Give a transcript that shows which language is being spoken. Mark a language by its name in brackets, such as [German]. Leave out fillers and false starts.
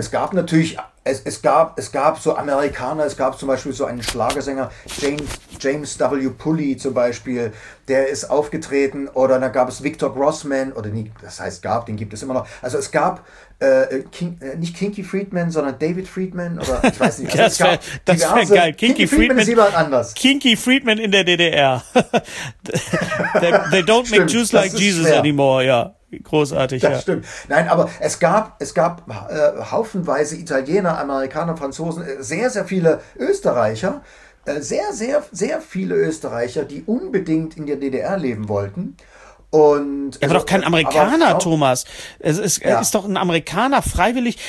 [German] Es gab natürlich, es gab so Amerikaner, es gab zum Beispiel so einen Schlagersänger, James W. Pulley zum Beispiel, der ist aufgetreten, oder da gab es Victor Grossman, oder nie, das heißt gab, den gibt es immer noch. Also es gab nicht Kinky Friedman, sondern David Friedman, oder ich weiß nicht. Also das wäre geil. Kinky Friedman ist jemand anders. Kinky Friedman in der DDR. [English] they don't make Jews like Jesus anymore, ja. [German] Großartig, das stimmt. Nein, aber es gab haufenweise Italiener, Amerikaner, Franzosen, sehr, sehr viele Österreicher, sehr, sehr, sehr viele Österreicher, die unbedingt in der DDR leben wollten. Und er war doch kein Amerikaner, Thomas. Er ist doch ein Amerikaner freiwillig.